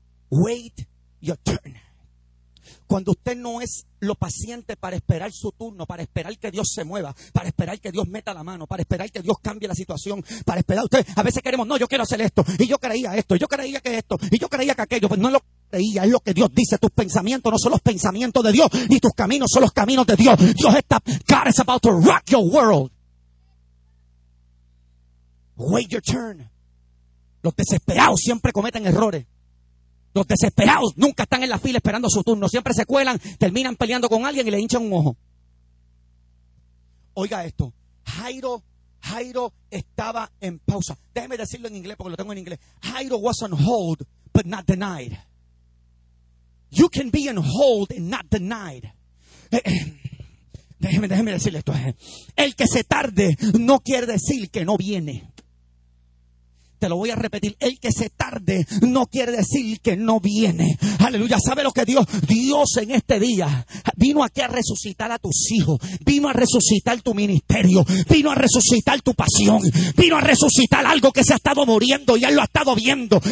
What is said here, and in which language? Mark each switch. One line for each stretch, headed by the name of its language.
English: Wait your turn.
Spanish: Cuando usted no es lo paciente para esperar su turno, para esperar que Dios se mueva, para esperar que Dios meta la mano, para esperar que Dios cambie la situación, para esperar, usted a veces queremos, no, yo quiero hacer esto, y yo creía esto, y yo creía que esto, y yo creía que aquello, pues no lo creía, es lo que Dios dice. Tus pensamientos no son los pensamientos de Dios, ni tus caminos son los caminos de Dios. Dios está,
English: God is about to rock your world. Wait your turn.
Spanish: Los desesperados siempre cometen errores. Los desesperados nunca están en la fila esperando su turno. Siempre se cuelan, terminan peleando con alguien y le hinchan un ojo. Oiga esto. Jairo estaba en pausa. Déjeme decirlo en inglés porque lo tengo en inglés.
English: Jairo was on hold, but not denied. You can be on hold and not denied.
Spanish: Déjeme decirle esto. El que se tarde no quiere decir que no viene. Te lo voy a repetir, el que se tarde no quiere decir que no viene. Aleluya, ¿sabe lo que Dios? Dios en este día vino aquí a resucitar a tus hijos, vino a resucitar tu ministerio, vino a resucitar tu pasión, vino a resucitar algo que se ha estado muriendo y Él lo ha estado viendo.